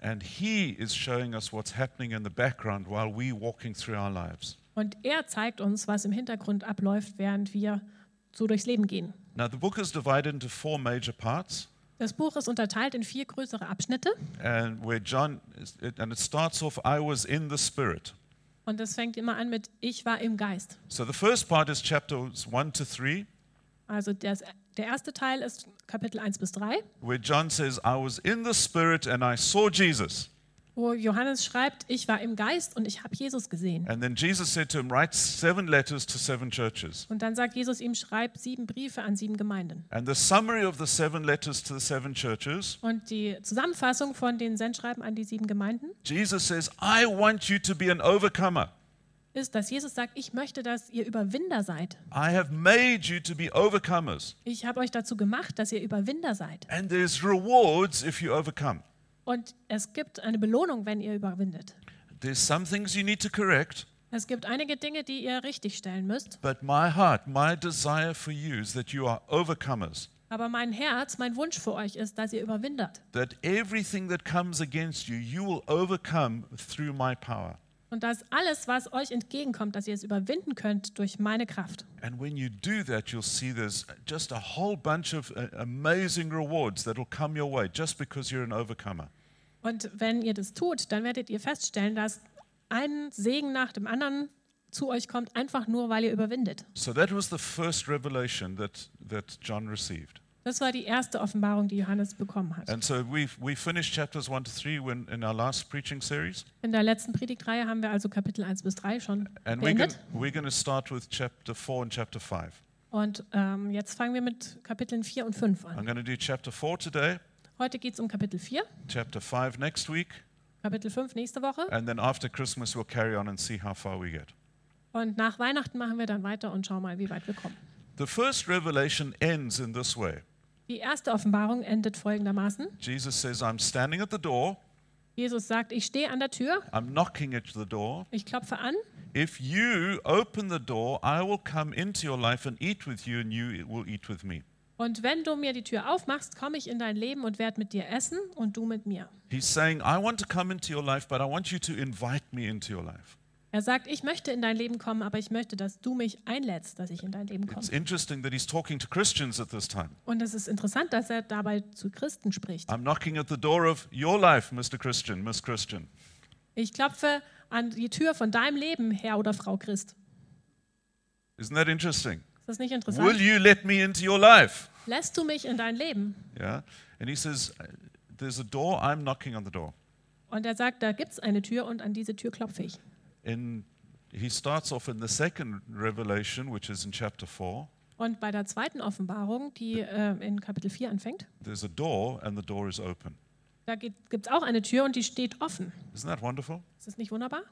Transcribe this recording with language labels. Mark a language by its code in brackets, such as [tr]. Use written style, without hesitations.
[en] And he is showing us what's happening in the background while we're walking through our lives. [de] Und er zeigt uns, was im Hintergrund abläuft, während wir so durchs Leben gehen. [en] Now the book is divided into four major parts. [de] Das Buch ist unterteilt in vier größere Abschnitte. [en] And where John is, and it starts off, I was in the Spirit. [de] Und es fängt immer an mit ich war im Geist. [en] So the first part is chapters 1 to 3. [de] Also der erste Teil ist Kapitel 1 bis 3. [en] Where John says, I was in the Spirit and I saw Jesus. [de] Wo Johannes schreibt, ich war im Geist und ich habe Jesus gesehen. [en] And then Jesus said to him, write 7 letters to 7 churches. [de] Und dann sagt Jesus ihm, schreib 7 Briefe an 7 Gemeinden. [en] And the summary of the 7 letters to the 7 churches. [de] Und die Zusammenfassung von den Sendschreiben an die 7 Gemeinden. [en] Jesus says, I want you to be an overcomer. [de] Ist, dass Jesus sagt, ich möchte, dass ihr Überwinder seid. [en] I have made you to be overcomers. [de] Ich habe euch dazu gemacht, dass ihr Überwinder seid. [en] And there's rewards if you overcome. [de] Und es gibt eine Belohnung, wenn ihr überwindet. [en] There's some things you need to correct. [de] Es gibt einige Dinge, die ihr richtigstellen müsst. [en] But my heart, my desire for you is that you are overcomers. [de] Aber mein Herz, mein Wunsch für euch ist, dass ihr überwindet. [en] That everything that comes against you, you will overcome through my power. [de] Und dass alles, was euch entgegenkommt, dass ihr es überwinden könnt durch meine Kraft. [en] And when you do that, you'll see there's just a whole bunch of amazing rewards that'll come your way just because you're an overcomer. [de] Und wenn ihr das tut, dann werdet ihr feststellen, dass ein Segen nach dem anderen zu euch kommt, einfach nur, weil ihr überwindet. [en] So that was the first revelation that John received. [de] Das war die erste Offenbarung, die Johannes bekommen hat. [en] And so we finished chapters 1 to 3 when in our last preaching series. [de] In der letzten Predigtreihe haben wir also Kapitel 1 bis 3 schon [en] and [de] beendet. [en] We're going to start with chapter 4 and chapter 5. [de] Und jetzt fangen wir mit Kapiteln 4 und 5 an. [en] I'm going to do chapter 4 today. [de] Heute geht's um Kapitel 4. [en] Chapter 5 next week. [de] Kapitel 5 nächste Woche. [en] And then after Christmas we'll carry on and see how far we get. [de] Und nach Weihnachten machen wir dann weiter und schauen mal, wie weit wir kommen. [en] The first revelation ends in this way. [de] Die erste Offenbarung endet folgendermaßen. [en] Jesus says, I'm standing at the door. [de] Jesus sagt, ich stehe an der Tür. [en] I'm knocking at the door. [de] Ich klopfe an. [en] If you open the door, I will come into your life and eat with you and you will eat with me. [de] Und wenn du mir die Tür aufmachst, komme ich in dein Leben und werde mit dir essen und du mit mir. [en] He's saying, I want to come into your life, but I want you to invite me into your life. [de] Er sagt, ich möchte in dein Leben kommen, aber ich möchte, dass du mich einlädst, dass ich in dein Leben komme. [en] It's interesting that he's talking to Christians at this time. [de] Und es ist interessant, dass er dabei zu Christen spricht. [en] I'm knocking at the door of your life, Mr. Christian, Miss Christian. [de] Ich klopfe an die Tür von deinem Leben, Herr oder Frau Christ. [en] Isn't that interesting? [de] Ist das nicht interessant? [en] Will you let me into your life? [de] Lässt du mich in dein Leben? [en] Yeah. And he says, there's a door, I'm knocking on the door. [de] Und er sagt, da gibt's eine Tür und an diese Tür klopfe ich. [en] And he starts off in the second revelation, which is in chapter 4. [de] Und bei der zweiten Offenbarung, die in Kapitel 4 anfängt, [en] there's a door and the door is open. [de] Da gibt's auch eine Tür und die steht offen. [en] Isn't that wonderful? [de] Ist das nicht wunderbar?